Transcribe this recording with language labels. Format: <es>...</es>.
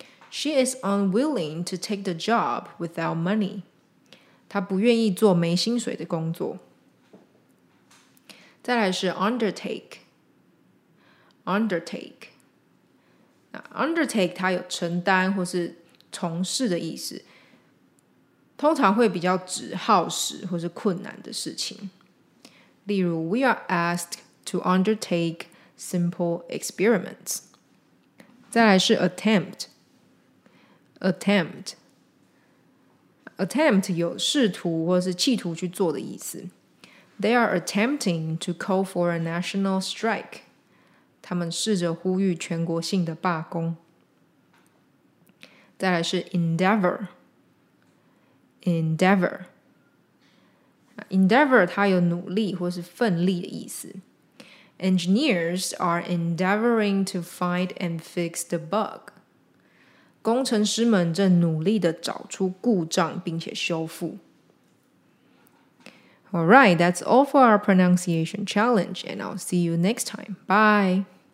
<en>She is unwilling to take the job without money.</en> <zh>她不愿意做没薪水的工作。再来是 undertake, undertake. 那 undertake 它有承担或是从事的意思。通常会比较指耗时或是困难的事情。例如</zh> <en>We are asked to undertake simple experiments.</en> <zh>再来是 attempt. Attempt. Attempt 有试图或是企图去做的意思。</zh> <en>They are attempting to call for a national strike.</en> <zh>他们试着呼吁全国性的罢工。再来是 endeavor. Endeavor. Endeavor 它有努力或是奋力的意思。</zh> <en>Engineers are endeavoring to find and fix the bug.</en> <zh>工程师们正努力地找出故障并且修复。</zh> <en>Alright, that's all for our pronunciation challenge, and I'll see you next time. Bye!</en>